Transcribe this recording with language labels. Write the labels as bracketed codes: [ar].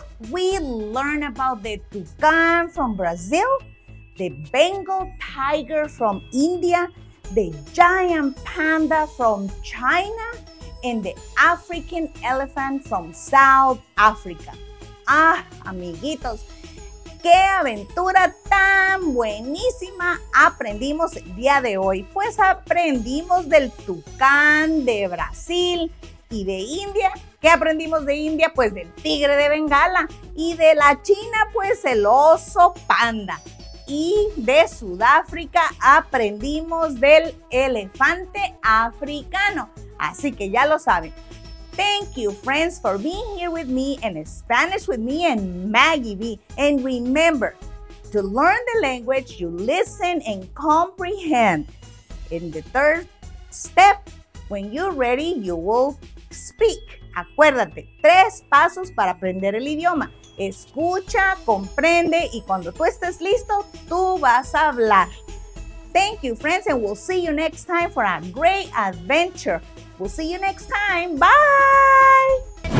[en] We learned about the toucan from Brazil, the Bengal tiger from India, the giant panda from China, and the African elephant from South Africa. [es] Ah, amiguitos, qué aventura tan buenísima aprendimos el día de hoy. Pues aprendimos del tucán de Brasil y de India. ¿Qué aprendimos de India? Pues del tigre de Bengala. Y de la China, pues el oso panda. Y de Sudáfrica aprendimos del elefante africano. Así que ya lo saben. [en] Thank you, friends, for being here with me and Spanish with me and Maggie B. And remember, to learn the language, you listen and comprehend. In the third step, when you're ready, you will speak. [es] Acuérdate, tres pasos para aprender el idioma. Escucha, comprende y cuando tú estés listo, tú vas a hablar. [en] Thank you, friends, and we'll see you next time for a great adventure. We'll see you next time. Bye!